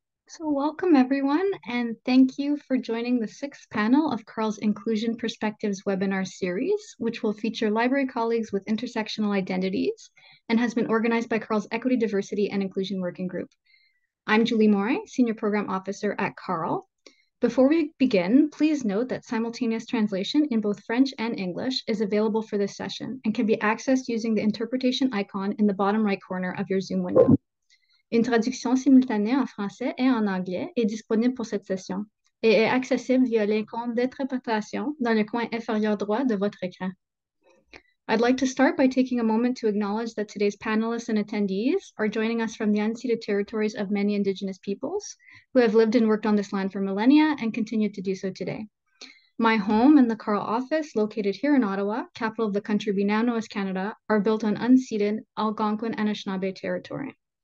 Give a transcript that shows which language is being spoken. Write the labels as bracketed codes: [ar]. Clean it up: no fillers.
[en] So welcome everyone, and thank you for joining the sixth panel of CURL's Inclusion Perspectives webinar series, which will feature library colleagues with intersectional identities and has been organized by CURL's Equity, Diversity, and Inclusion Working Group. I'm Julie Morey, Senior Program Officer at CURL. Before we begin, please note that simultaneous translation in both French and English is available for this session and can be accessed using the interpretation icon in the bottom right corner of your Zoom window. [fr] Une traduction simultanée en français et en anglais est disponible pour cette session et est accessible via l'icône d'interprétation dans le coin inférieur droit de votre écran. [en] I'd like to start by taking a moment to acknowledge that today's panelists and attendees are joining us from the unceded territories of many Indigenous peoples who have lived and worked on this land for millennia and continue to do so today. My home and the CURL office, located here in Ottawa, capital of the country we now know as Canada, are built on unceded Algonquin Anishinaabe territory.